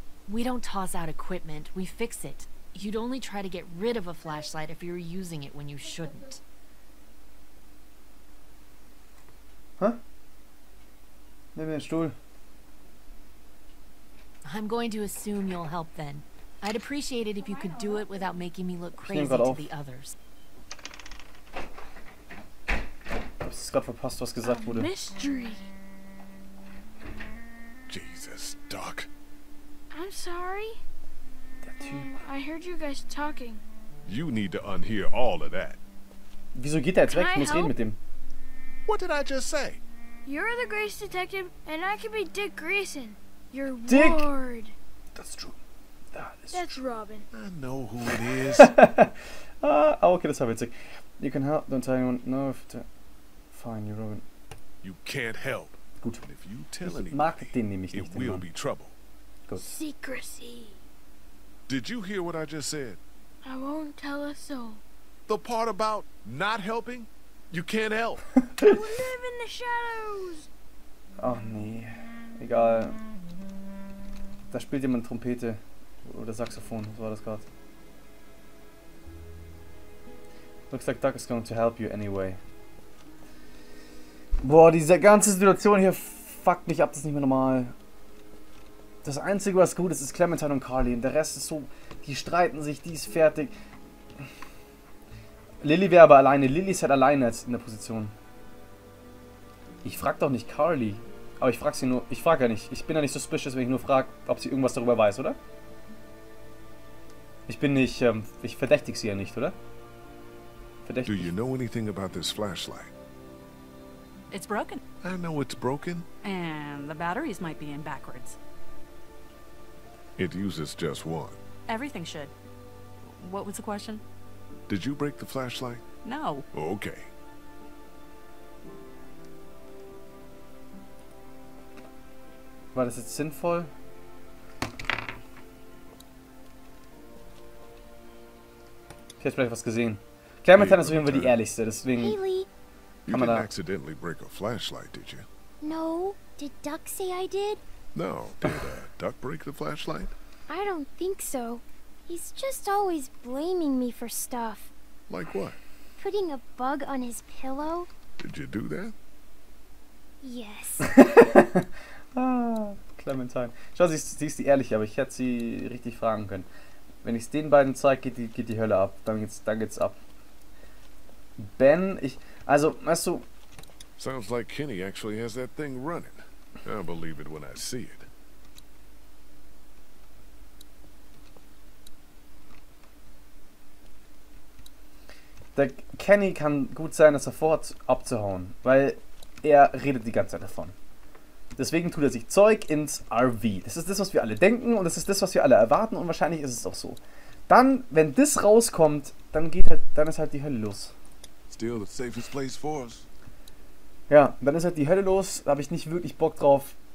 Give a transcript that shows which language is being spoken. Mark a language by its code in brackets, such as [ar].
[en] We don't toss out equipment, we fix it. You'd only try to get rid of a flashlight if you were using it when you shouldn't. [de] Huh? Nimm den Stuhl. [en] I'm going to assume you'll help then. I'd appreciate it if you could do it without making me look crazy to the others. [de] Ich hab's gerade verpasst, was gesagt wurde. [en] Mystery. Jesus, Doc. I'm sorry. I heard you guys talking. You need to unhear all of that. [de] Wieso geht der jetzt weg? Ich muss reden mit dem. [en] What did I just say? You're the Grace Detective, and I can be Dick Grayson. Your Dick. Ward. That's true. That's true. Robin. I know who it is. okay, [de] das war witzig. [en] You can help. Don't tell anyone. No, if to... Fine, you're Robin. You can't help. [de] Gut. [en] If you tell [de] ich mag den nämlich nicht, [en] will be trouble. [de] Gut. [en] Secrecy. Did you hear what I just said? I won't tell a soul. The part about not helping? You can't help. We live in the shadows. [de] Oh nee. Egal. Da spielt jemand Trompete oder Saxophon. Was war das gerade? [en] Looks like Doc is going to help you anyway. [de] Boah, diese ganze Situation hier fuckt mich ab, das ist nicht mehr normal. Das Einzige, was gut ist, ist Clementine und Carly. Der Rest ist so, die streiten sich, die ist fertig. Lily wäre aber alleine. Lily ist halt alleine jetzt in der Position. Ich frag doch nicht Carly. Aber ich frag sie nur, ich frag ja nicht. Ich bin ja nicht suspicious, wenn ich nur frag, ob sie irgendwas darüber weiß, oder? Ich bin nicht, ich verdächtig sie ja nicht, oder? Verdächtig. [en] Do you know anything about this flashlight? It's broken. I know it's broken. And the batteries might be in backwards. It uses just one. Everything should. What was the question? Did you break the flashlight? No. Okay. [de] War das jetzt sinnvoll? Ich hab vielleicht was gesehen. Clementine ist auf jeden Fall die ehrlichste, deswegen. [en] Haley. You didn't accidentally break a flashlight, did you? No. Did Duck say I did? No. Did Duck break the flashlight? I don't think so. He's just always blaming me for stuff. Like what? Putting a bug on his pillow. Did you do that? Yes. Clementine. [de] Schau, sie ist die ehrliche, aber ich hätte sie richtig fragen können. Wenn ich es den beiden zeige, geht die Hölle ab. Dann geht's ab. Ben, ich... Also, weißt du... [en] Sounds like Kenny actually has that thing running. I'll believe it when I see it. [de] Der Kenny kann gut sein, dass er vorhat, abzuhauen. Weil er redet die ganze Zeit davon. Deswegen tut er sich Zeug ins RV. Das ist das, was wir alle denken. Und das ist das, was wir alle erwarten. Und wahrscheinlich ist es auch so. Dann, wenn das rauskommt, dann ist halt die Hölle los. [en] Still the safest place for us. [de] Ja, dann ist halt die Hölle los. Da habe ich nicht wirklich Bock drauf.